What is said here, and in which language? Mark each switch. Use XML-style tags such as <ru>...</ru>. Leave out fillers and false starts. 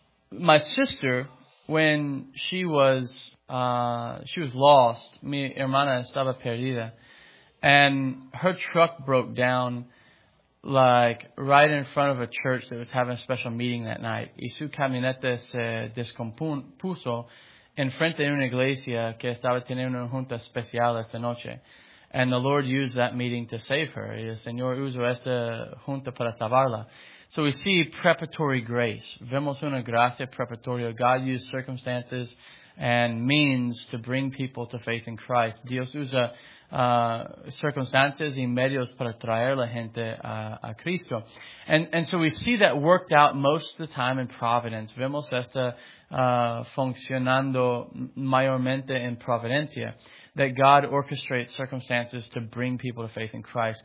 <en>My sister, when she was lost,</en> <es>mi hermana estaba perdida,</es> <en>and her truck broke down, like, right in front of a church that was having a special meeting that night.</en> <es>Y su camioneta se descompuso en frente de una iglesia que estaba teniendo una junta especial esta noche.</es> <en>And the Lord used that meeting to save her.</en> <es>Y el Señor usó esta junta para salvarla.</es> <en>So we see preparatory grace.</en> <es>Vemos una gracia preparatoria.</es> <en>God used circumstances and means to bring people to faith in Christ.</en> <es>Dios usa circumstances y medios para traer la gente a Cristo.</es> <en>And so we see that worked out most of the time in providence.</en> <es>Vemos esta funcionando mayormente en providencia.</es> <en>That God orchestrates circumstances to bring people to faith in Christ.</en>